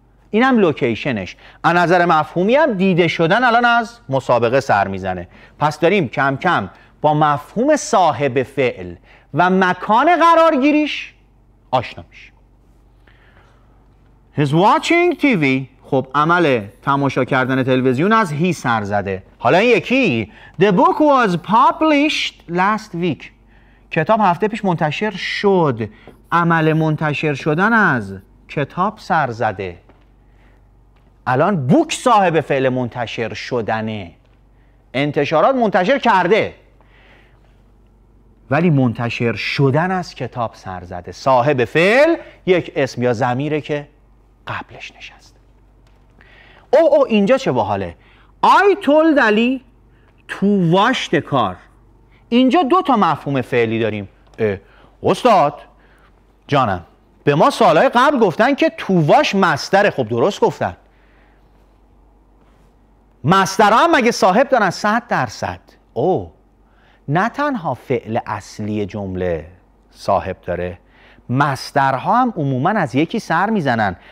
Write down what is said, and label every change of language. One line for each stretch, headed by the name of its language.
Persian: اینم لوکیشنش. از نظر مفهومی هم دیده شدن الان از مسابقه سر میزنه. پس داریم کم کم با مفهوم صاحب فعل و مکان قرارگیریش آشنا میشه.
English: He's watching TV.
Persian: خب عمل تماشا کردن تلویزیون از هی سر زده. حالا این یکی.
English: The book was published last week.
Persian: کتاب هفته پیش منتشر شد. عمل منتشر شدن از کتاب سر زده. الان بوک صاحب فعل منتشر شدنه. انتشارات منتشر کرده. ولی منتشر شدن از کتاب سر زده. صاحب فعل یک اسم یا ضمیره که قبلش نشسته. او او اینجا چه باحاله.
English: I told Ali to wash the car.
Persian: اینجا دو تا مفهوم فعلی داریم. استاد جانم، به ما سالهای قبل گفتن که
English: to wash
Persian: مصدره. خب درست گفتن. مصدرها هم مگه صاحب دارن؟ 100%. او نه تنها فعل اصلی جمله صاحب داره، مصدرها هم عموما از یکی سر میزنن.